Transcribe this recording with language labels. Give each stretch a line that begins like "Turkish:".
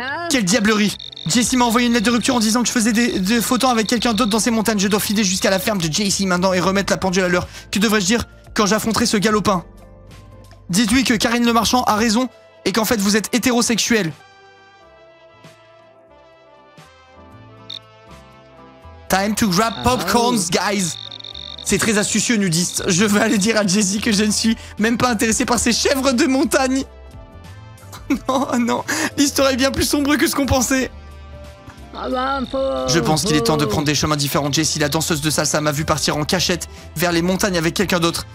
French: Quelle diablerie. Jesse m'a envoyé une lettre de rupture en disant que je faisais des faux temps avec quelqu'un d'autre dans ces montagnes. Je dois filer jusqu'à la ferme de Jesse maintenant et remettre la pendule à l'heure. Que devrais-je dire quand j'affronterai ce galopin? Dites-lui que Karine le marchand a raison et qu'en fait vous êtes hétérosexuel.
English: Time to grab popcorns, guys.
French: C'est très astucieux, nudiste. Je vais aller dire à Jesse que je ne suis même pas intéressé par ces chèvres de montagne. Non, non, l'histoire est bien plus sombre que ce qu'on pensait. Je pense qu'il est temps de prendre des chemins différents. Jesse, la danseuse de salsa, m'a vu partir en cachette vers les montagnes avec quelqu'un d'autre.